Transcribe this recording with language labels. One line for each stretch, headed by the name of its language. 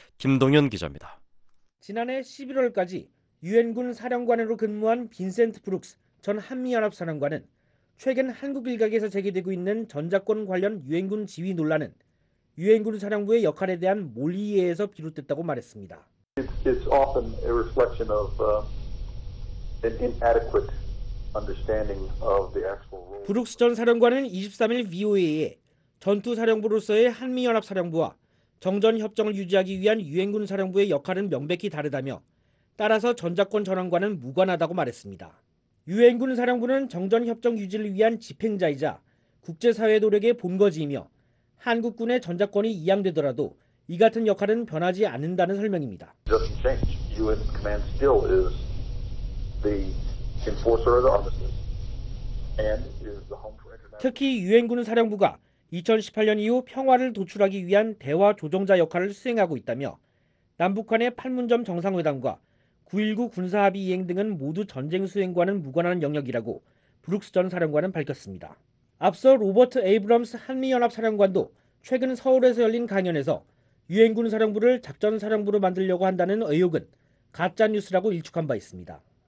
Korean: 김동현 기자입니다. 지난해 11월까지 유엔군 사령관으로 근무한 빈센트 브룩스 전 한미연합사령관은 최근 한국 일각에서 제기되고 있는 전작권 관련 유엔군 지휘 논란은 유엔군 사령부의 역할에 대한 몰이해에서 비롯됐다고 말했습니다.
English: It's often a reflection of an inadequate understanding of the actual role.
Korean: 브룩스 전 사령관은 23일 VOA에 전투사령부로서의 한미연합사령부와 정전협정을 유지하기 위한 유엔군 사령부의 역할은 명백히 다르다며 따라서 전작권 전환과는 무관하다고 말했습니다. 유엔군 사령부는 정전협정 유지를 위한 집행자이자 국제사회 노력의 본거지이며 한국군의 전작권이 이양되더라도 이 같은 역할은 변하지 않는다는 설명입니다.
English: Doesn't change. UN command still is the enforcer of the armistice and is the home for international.
Korean: 특히 유엔군 사령부가 2018년 이후 평화를 도출하기 위한 대화 조정자 역할을 수행하고 있다며 남북한의 판문점 정상회담과 9.19 군사합의 이행 등은 모두 전쟁 수행과는 무관한 영역이라고 브룩스 전 사령관은 밝혔습니다. 앞서 로버트 에이브럼스 한미연합사령관도 최근 서울에서 열린 강연에서 유엔군 사령부를 작전사령부로 만들려고 한다는 의혹은 가짜뉴스라고 일축한 바 있습니다.